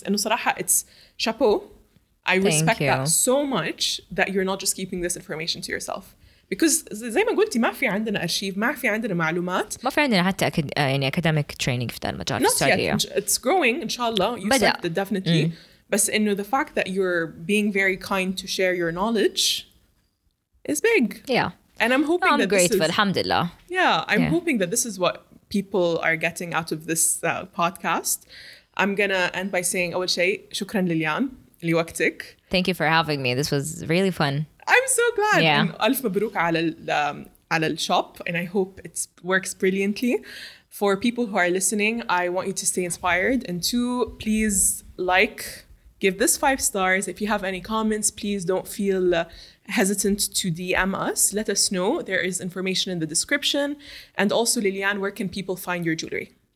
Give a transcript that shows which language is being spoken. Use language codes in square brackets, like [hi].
[en] And [ar] صراحة, [en] it's chapeau. I respect that so much that you're not just keeping this information to yourself. [ar] Because زي ما قلتي, ما في عندنا أرشيف, ما في عندنا معلومات. ما في عندنا حتى يعني [en] academic training [ar] في المجال. [en] Not yet. It's growing, inshallah. You said that definitely. But [ar] إنه [en] the fact that you're being very kind to share your knowledge is big. Yeah. And I'm hoping I'm that grateful, this is, alhamdulillah. Yeah, I'm hoping that this is what people are getting out of this podcast. I'm gonna end by saying, [ar] أول شيء, شكرا لليان لوقتك. [en] Thank you for having me. This was really fun. I'm so glad. Yeah. And [ar] ألف مبروك على على الشوب, [en] and I hope it works brilliantly. For people who are listening, I want you to stay inspired. And two, please like, give this 5 stars. If you have any comments, please don't feel hesitant to DM us. Let us know. There is information in the description. And also, Lillian, where can people find your jewelry?